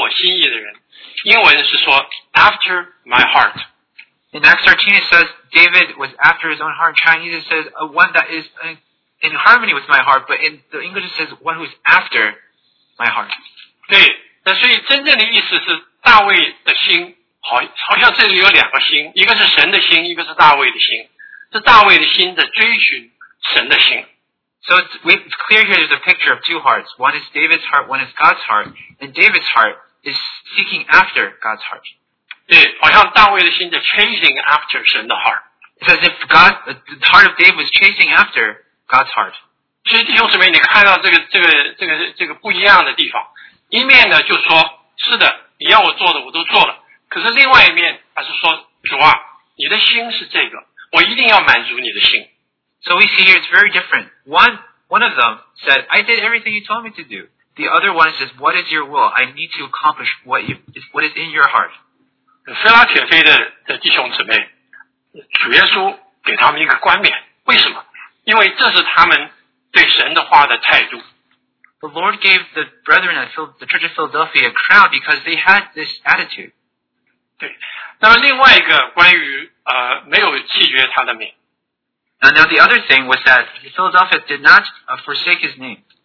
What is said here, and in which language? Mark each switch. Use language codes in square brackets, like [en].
[zh] 对，感谢主。这个英文里面就是在《使徒行传》第13章，神说大卫是我们中文叫的合我心意的人。英文是说 [en] after my heart. In Acts 13, it says David was after his own heart. Chinese it says one that is in harmony with my heart. But in the English it says one who is after my heart. [zh] 对，那所以真正的意思是大卫的心。好，好像这里有两个心，一个是神的心，一个是大卫的心。是大卫的心在追寻神的心。 [en] So it's clear here there's a picture of two hearts. One is David's heart, one is God's heart. And David's heart is seeking after God's heart. [zh] 对，好像大卫的心在 [en] chasing after [zh] 神的 heart. [en] It's as if God, the heart of David was chasing after God's heart. [zh] 所以弟兄姊妹，你看到这个不一样的地方。一面呢就说是的，你要我做的我都做了，可是另外一面他是说，主啊，你的心是这个，我一定要满足你的心。 [en] So we see here it's very different. One of them said, I did everything you told me to do. The other one says, what is your will? I need to accomplish what is in your heart. [zh] 腓拉铁菲 的弟兄姊妹，主耶稣给他们一个冠冕，为什么？因为这是他们对神的话的态度。 [en] The Lord gave the brethren at the Church of Philadelphia a crown because they had this attitude. [zh] 对，那么另外一个关于没有弃绝他的名。 [en] And now the other thing was that Philadelphia did not forsake his name.